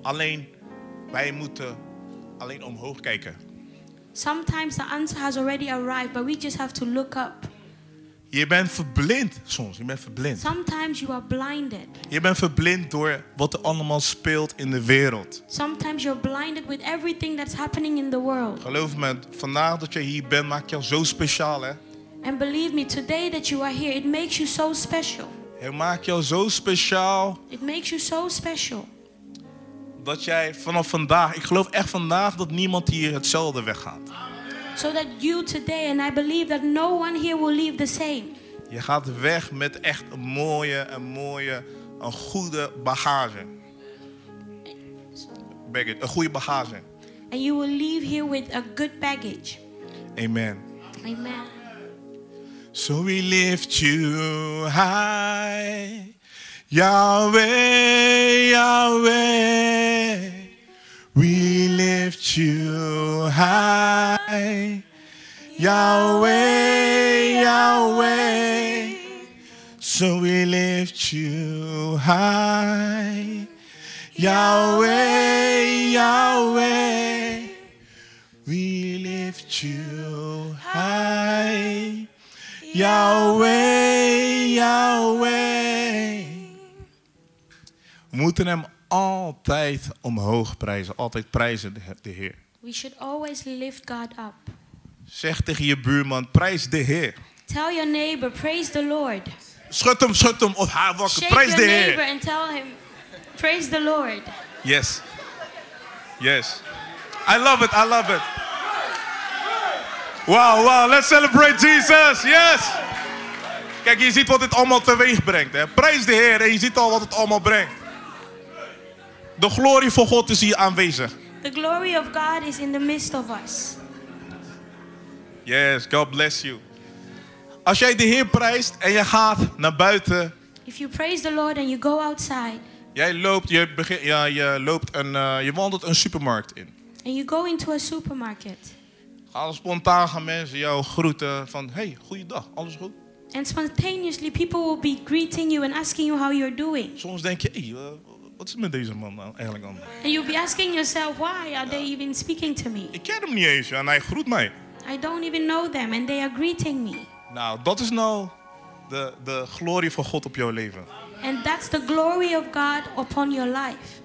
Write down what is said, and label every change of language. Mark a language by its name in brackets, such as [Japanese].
[Dutch] Alleen wij moeten alleen omhoog kijken. [English] Sometimes the answer has already arrived, but we just have to look up. [Dutch] Je bent verblind soms. Je bent verblind. [English] Sometimes you are blinded. [Dutch] Je bent verblind door wat er allemaal speelt in de wereld. [English] Sometimes you're blinded with everything that's happening in the world. [Dutch] Geloof me, vandaag dat je hier bent maakt jou zo speciaal, hè? [English] And believe me, today that you are here, it makes you so special. [Dutch] Het maakt jou zo speciaal. [English] It makes you so special. [Dutch] Dat jij vanaf vandaag, ik geloof echt vandaag dat niemand hier hetzelfde weggaat. [English] So that you today, and I believe that no one here will leave the same. [Dutch] Je gaat weg met echt een goede bagage. Een goede bagage. [English] And you will leave here with a good baggage. Amen. Amen. So we lift you high. Yahweh, Yahweh, we lift you high. Yahweh, Yahweh, so we lift you high. Yahweh, Yahweh, we lift you high. Yahweh, Yahweh. [Dutch] We moeten hem altijd omhoog prijzen. Altijd prijzen de Heer. [English] We should always lift God up. [Dutch] Zeg tegen je buurman, prijs de Heer. [English] Tell your neighbor, praise the Lord. [Dutch] Schud hem of haar wakker. [English] Shake [Dutch] prijs de Heer. [English] Shake your neighbor and tell him, praise the Lord. Yes. Yes. I love it, I love it. Wow, wow, let's celebrate Jesus. Yes. [Dutch] Kijk, je ziet wat dit allemaal teweeg brengt. Hè? Prijs de Heer en je ziet al wat het allemaal brengt. De glorie van God is hier aanwezig. [English] The glory of God is in the midst of us. Yes, God bless you. [Dutch] Als jij de Heer prijst en je gaat naar buiten. [English] If you praise the Lord and you go outside. [Dutch] Jij loopt, je wandelt een supermarkt in. [English] And you go into a supermarket. [Dutch] Gaan spontaan gaan mensen jou groeten van, hey, goeiedag, alles goed? [English] And spontaneously people will be greeting you and asking you how you're doing. [Dutch] Soms denk je, hey, wat is met deze man nou eigenlijk aan? [English] And you'll be asking yourself, why are they even speaking to me? [Dutch] Ik ken hem niet eens, en hij groet mij. [English] I don't even know them, and they are greeting me. [Dutch] Nou, dat is nou de glorie van God op jouw leven. [English] And that's the glory of God upon your life.